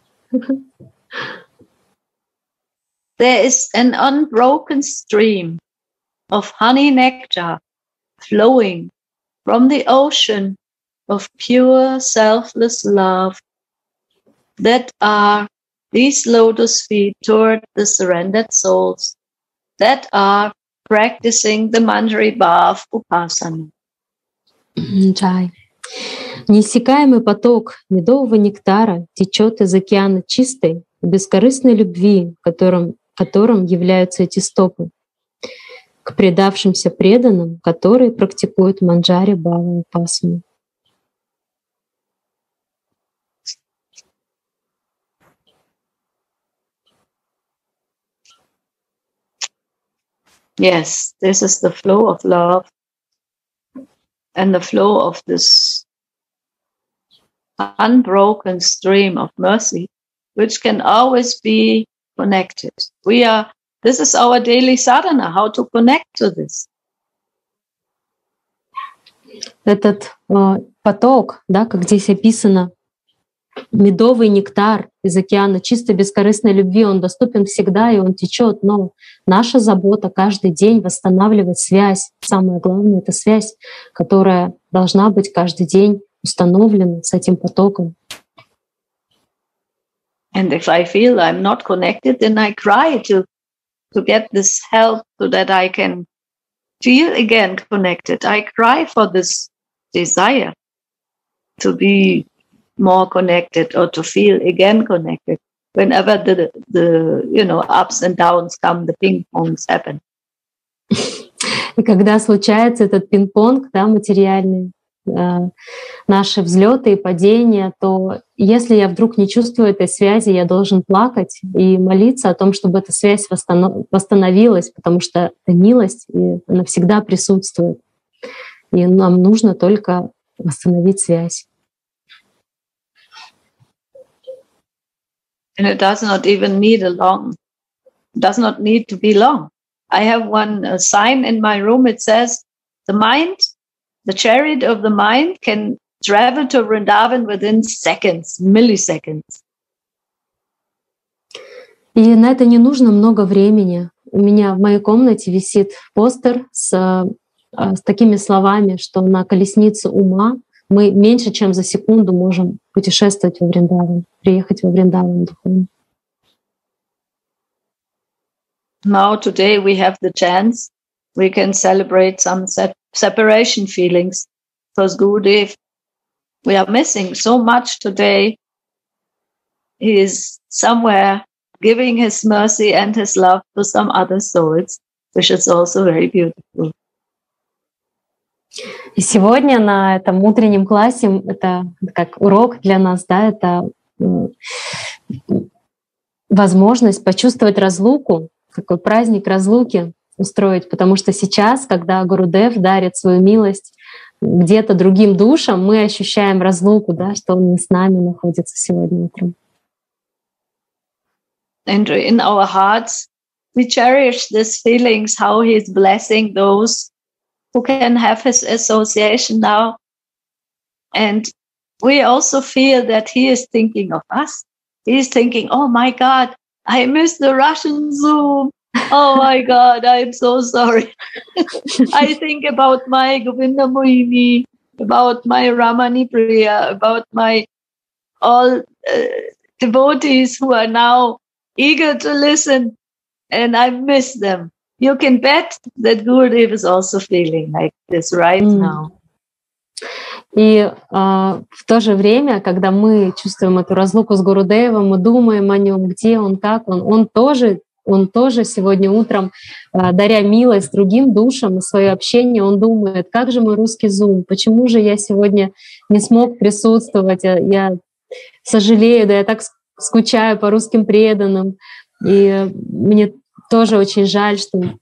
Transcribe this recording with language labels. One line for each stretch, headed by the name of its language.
English: There is an unbroken stream of honey nectar flowing from the ocean of pure selfless love that are these lotus feet toward the surrendered souls that are practicing the Manjari Bhav Upasana.
Russian: Чай. Неиссякаемый поток медового нектара течет из океана чистой и бескорыстной любви, которым являются эти стопы, к предавшимся преданным, которые практикуют Манджари Бхава Упасану.
English: Yes, this is the flow of love and the flow of this unbroken stream of mercy, which can always be connected. This is our daily sadhana, how to connect to this.
Russian: Этот поток, да, как здесь описано, медовый нектар из океана чистой бескорыстной любви, он доступен всегда, и он течет. Но наша забота каждый день восстанавливать связь. Самое главное — это связь, которая должна быть каждый день установлена с этим потоком.
English: And if I feel I'm not connected, then I cry to get this help so that I can feel again connected. I cry for this desire to be more connected or to feel again connected. Whenever the you know, ups and downs come, the ping-pongs happen.
Russian: И когда случается этот пинг-понг, да, материальный, наши взлеты и падения, то если я вдруг не чувствую этой связи, я должен плакать и молиться о том, чтобы эта связь восстановилась, потому что это милость, и она всегда присутствует. И нам нужно только восстановить связь.
English: And it does not even need a long. Does not need to be long. I have one sign in my room. It says, the mind, the chariot of the mind can travel to Vrindavan within seconds, milliseconds.
Russian: И на это не нужно много времени. У меня в моей комнате висит постер с такими словами, что на колеснице ума мы меньше, чем за секунду можем путешествовать во Вриндаван, приехать во Вриндаван духовно.
English: Now today we have the chance, we can celebrate some separation feelings. It was good if we are missing so much today. He is somewhere giving his mercy and his love to some other souls, which is also very beautiful.
Russian: И сегодня на этом утреннем классе это как урок для нас, да, это возможность почувствовать разлуку. Какой праздник разлуки устроить, потому что сейчас, когда Гурудев дарит свою милость где-то другим душам, мы ощущаем разлуку, да, что он не с нами находится сегодня утром.
English: And in our hearts we cherish these feelings, how he is blessing those who can have his association now. And we also feel that he is thinking of us. He is thinking, oh my God, I miss the Russian Zoom. Oh my God, I'm so sorry. I think about my Govinda Mohini, about my Ramani Priya, about my all devotees who are now eager to listen, and I miss them. You can bet that Gurudev is also feeling like this right now.
Russian: И в то же время, когда мы чувствуем эту разлуку с Гурудевом, мы думаем о нем, где он, как он тоже сегодня утром, даря милость другим душам и свое общение, он думает, как же мой русский Zoom, почему же я сегодня не смог присутствовать, я сожалею, да я так скучаю по русским преданным, и мне тоже очень жаль, что...